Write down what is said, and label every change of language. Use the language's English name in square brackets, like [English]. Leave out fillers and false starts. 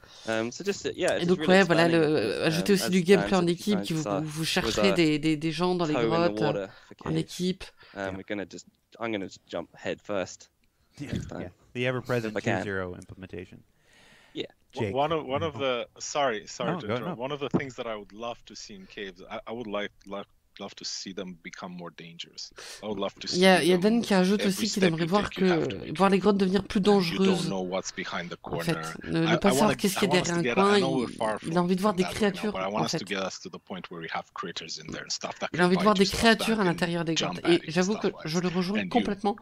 [French] Et donc ouais, voilà, ajouter aussi du gameplay en équipe, qui vous chercherez des gens dans les grottes en équipe. [English] I'm gonna jump head first. Yeah. The ever-present T0 implementation. Yeah. Jake. One of the things that I would love to see in caves, I would love to see them become more dangerous. I would love to see. [French] Yeah, il y a Dan qui ajoute aussi qu'il aimerait voir les grottes devenir plus dangereuses. [English] You don't know what's behind the corner. [French] En fait, ne pas savoir qu'est-ce qu'il y a derrière un coin. Il a envie de voir des créatures. [English] But I want us to get us to the point where we have creatures in there and stuff. [French] Il a envie de voir des créatures à l'intérieur des grottes. Et j'avoue que je le rejoins complètement.